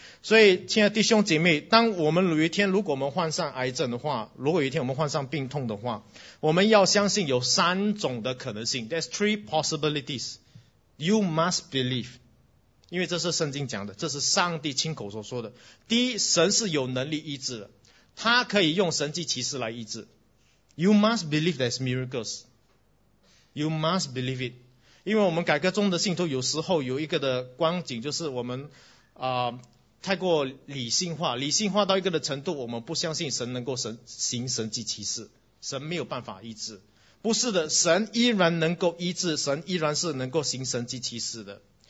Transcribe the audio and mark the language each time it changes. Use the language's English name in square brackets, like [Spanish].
[Chinese] 所以亲爱的弟兄姐妹，当我们有一天如果我们患上癌症的话，如果有一天我们患上病痛的话，我们要相信有三种的可能性， [English] There's three possibilities you must believe， [Chinese] 因为这是圣经讲的，这是上帝亲口所说的。第一，神是有能力医治的，他可以用神迹奇事来医治。 [English] You must believe there's miracles， you must believe it。 [Chinese] 因为我们改革中的信徒有时候有一个的光景，就是我们太过理性化，理性化到一个的程度，我们不相信神能够行神迹奇事，神没有办法医治。不是的，神依然能够医治，神依然是能够行神迹奇事的。